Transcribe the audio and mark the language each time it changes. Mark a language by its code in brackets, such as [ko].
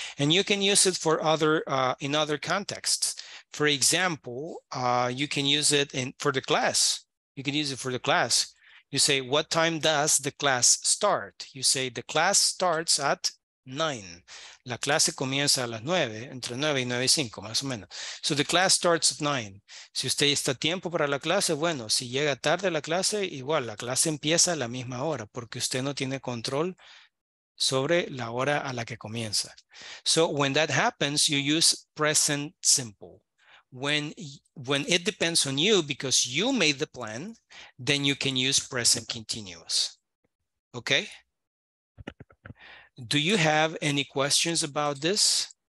[en] And you can use it for other in other contexts. For example, you can use it for the class. You can use it for the class. You say, what time does the class start? You say, the class starts at 9. [es] La clase comienza a las 9, entre 9 y 9 y 5, más o menos. [en] So the class starts at 9. [es] Si usted está a tiempo para la clase, bueno, si llega tarde a la clase, igual, la clase empieza a la misma hora, porque usted no tiene control sobre la hora a la que comienza. [en] So when that happens, you use present simple. When it depends on you, because you made the plan, then you can use present continuous. Okay? Do you have any questions about this?